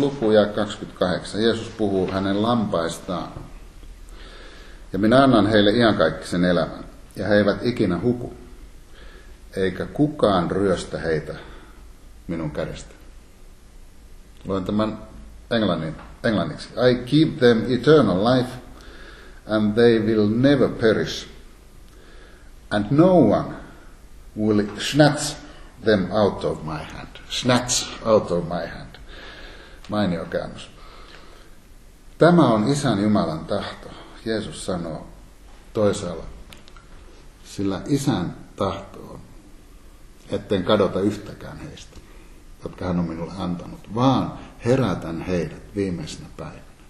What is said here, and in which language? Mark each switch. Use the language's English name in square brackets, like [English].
[Finnish] luku ja 28. Jeesus puhuu hänen lampaistaan. Ja minä annan heille iankaikkisen elämän, ja he eivät ikinä huku, eikä kukaan ryöstä heitä minun kädestä. Luen tämän englanniksi. [English] I give them eternal life, and they will never perish, and no one will snatch them out of my hand. Snatch out of my hand. [Finnish] Mainio käännös. Tämä on Isän Jumalan tahto. Jeesus sanoo toisaalla, sillä Isän tahto on, etten kadota yhtäkään heistä, jotka hän on minulle antanut, vaan herätän heidät viimeisenä päivänä.